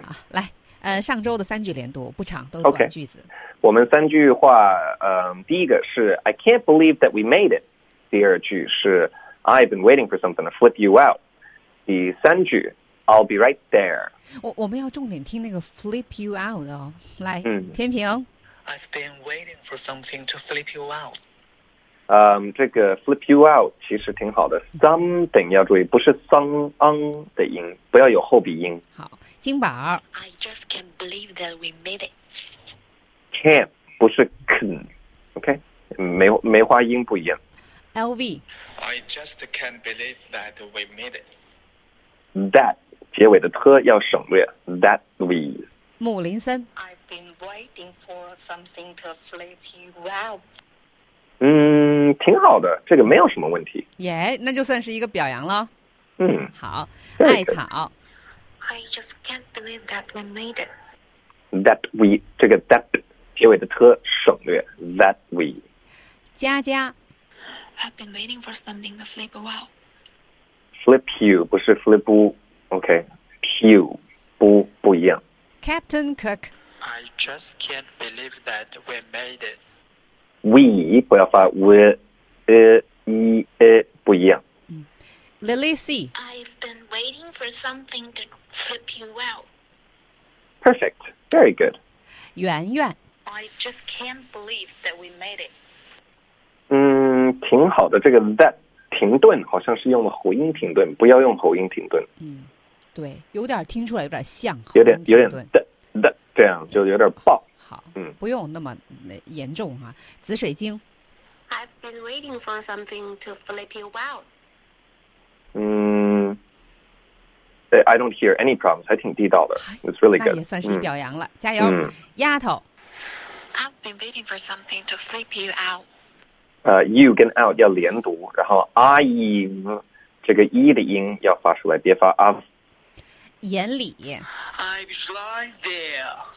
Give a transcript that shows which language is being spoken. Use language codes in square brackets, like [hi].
[zh] 来，上周的三句连读不长，都是短句子。 [en] okay. [zh] 我们三句话，第一个是 [en] I can't believe that we made it， 第二句是 I've been waiting for something to flip you out， 第三句I'll be right there. [zh] 我们要重点听那个 flip you out 哦。来，天平。 [en] I've been waiting for something to flip you out. [zh] 这个 flip you out 其实挺好的 something 要注意不是 song on 的音不要有后鼻音 [en] 好金宝 I just can't believe that we made it can 不是 can OK 梅花音不一样 LV I just can't believe that we made it [zh] that 结尾的 t 要省略 that we 穆林森 [en] I've been waiting for something to flip you out [zh] 嗯，挺好的，这个没有什么问题。耶、yeah, ，那就算是一个表扬了。嗯，好，艾草。 [en] I just can't believe that we made it. [zh] That we 这个 that 结尾的 t 省略 that we。佳佳。 [en] I've been waiting for something to flip you out. Flip you 不是 flip you, OK? You 不一样。 Captain Cook. I just can't believe that we made it. [zh] We 不要发 we, e, e 不一样。 [en] Lily C. I've been waiting for something to flip you out. Perfect. Very good. [zh] 圆圆。 [en] I just can't believe that we made it. [zh] 嗯，挺好的。这个 that 停顿好像是用了喉音停顿，不要用喉音停顿。嗯，对，有点听出来有点像，有点 that 这样就有点爆。好，不用那么严重哈、啊。紫水晶 [en] ，I've been waiting for something to flip you out. 嗯 ，I don't hear any problems. [zh] 还挺地道的 ， [en] It's really good. [zh] 那也算是一表扬了，加油，丫头。 [en] I've been waiting for something to flip you out. [zh] You 跟 out 要连读，然后 I've 这个 e 的音要发出来，别发 of。眼里 [en] ，I've slid there.